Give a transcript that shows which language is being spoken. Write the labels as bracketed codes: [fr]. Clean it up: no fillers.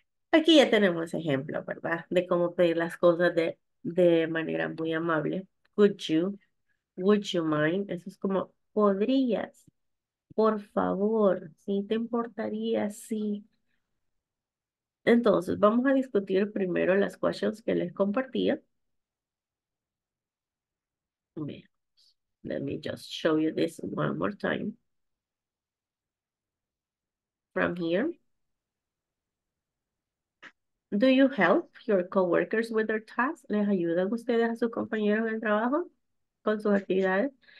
[es] Aquí ya tenemos ejemplo, ¿verdad? De cómo pedir las cosas de manera muy amable. [en] Would you mind? [es] Eso es como, ¿podrías? Por favor, ¿sí? ¿Te importaría? Sí. Entonces, vamos a discutir primero las questions que les compartía. Veamos. [en] Let me just show you this one more time. From here. Do you help your coworkers with their tasks? [es] ¿Les ayudan ustedes a sus compañeros en el trabajo con sus actividades?